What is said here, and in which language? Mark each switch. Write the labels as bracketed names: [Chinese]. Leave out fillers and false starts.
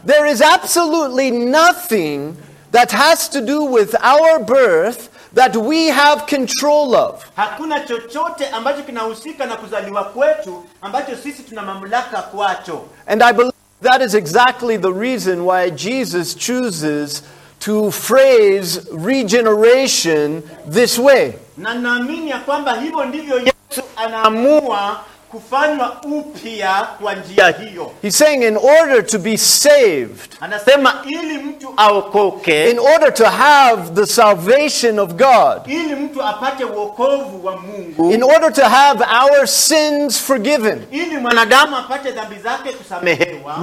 [English] There is absolutely nothing that has to do with our birth that we have control of. [Swahili] Hakuna chochote ambacho kinahusika na kuzaliwa kwetu ambacho sisi tuna mamlaka kwacho. [English] And I believe That is exactly the reason why Jesus chooses to phrase regeneration this way. [Swahili] Na naamini ya kwamba hivyo ndivyo Yesu anaamua kufanywa upya kwa njia hiyo. [English] He's saying in order to be saved, [Swahili] anasema ili mtu aokoke, [English] in order to have the salvation of God, [Swahili] ili mtu apate wokovu wa Mungu, [English] in order to have our sins forgiven, [Swahili] ili mwanadamu apate dhambi zake kusamehewa,